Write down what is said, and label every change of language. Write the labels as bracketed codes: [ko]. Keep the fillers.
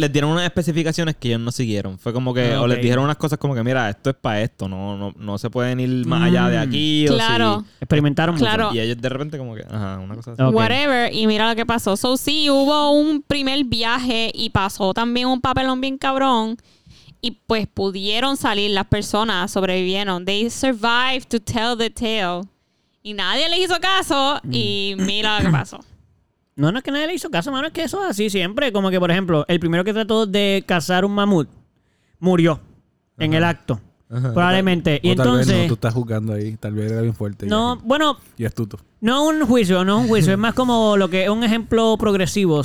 [es] les dieron unas especificaciones que ellos no siguieron. Fue como que, okay. o les dijeron unas cosas como que, mira, esto es para esto, no, no, no, se pueden ir más allá de aquí. Mm. O claro. Sí. experimentaron claro. mucho. Y ellos de repente como que, ajá, una cosa así. Okay. Whatever. Y mira lo que pasó. So sí, hubo un primer viaje y pasó también un papelón bien cabrón. Y pues pudieron salir las personas, sobrevivieron. [en] They survived to tell the tale. [es] Y nadie les hizo caso. Y mira lo que pasó. No, no es que nadie le hizo caso, no, Es que eso es así siempre. Como que, por ejemplo, el primero que trató de cazar un mamut murió Ajá. en el acto. Ajá. Probablemente. O tal y entonces. Tal vez no, tú estás jugando ahí. Tal vez era bien fuerte. No, ahí, bueno. Y astuto. No un juicio, no un juicio. es más como lo que es un ejemplo progresivo.